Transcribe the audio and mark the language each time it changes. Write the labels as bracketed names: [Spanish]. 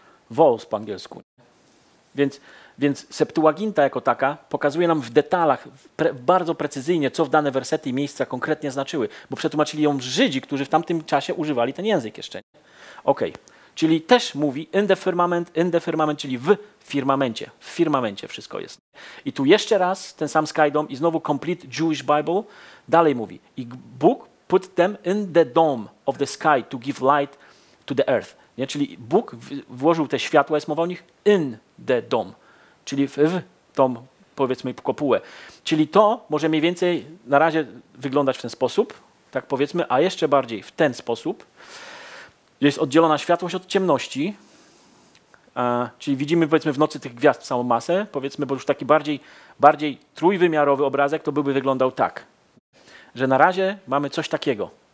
[Polish] Vowels po angielsku. Więc Septuaginta jako taka pokazuje nam w detalach bardzo precyzyjnie, co w dane wersety i miejsca konkretnie znaczyły, bo przetłumaczyli ją Żydzi, którzy w tamtym czasie używali ten język jeszcze. Okej. Czyli też mówi [English] in the firmament, [Polish] czyli w firmamencie wszystko jest. I tu jeszcze raz ten sam Skydom i znowu Complete Jewish Bible dalej mówi. I Bóg [English] put them in the dome of the sky to give light to the earth. [Polish] Nie? Czyli Bóg włożył te światła, jest mowa o nich, [English] in the dome, [Polish] czyli w tą powiedzmy kopułę. Czyli to może mniej więcej na razie wyglądać w ten sposób, tak powiedzmy, a jeszcze bardziej w ten sposób, że jest oddzielona światłość od ciemności, czyli widzimy powiedzmy w nocy tych gwiazd samą masę, powiedzmy, bo już taki bardziej trójwymiarowy obrazek to byłby wyglądał tak, że na razie mamy coś takiego.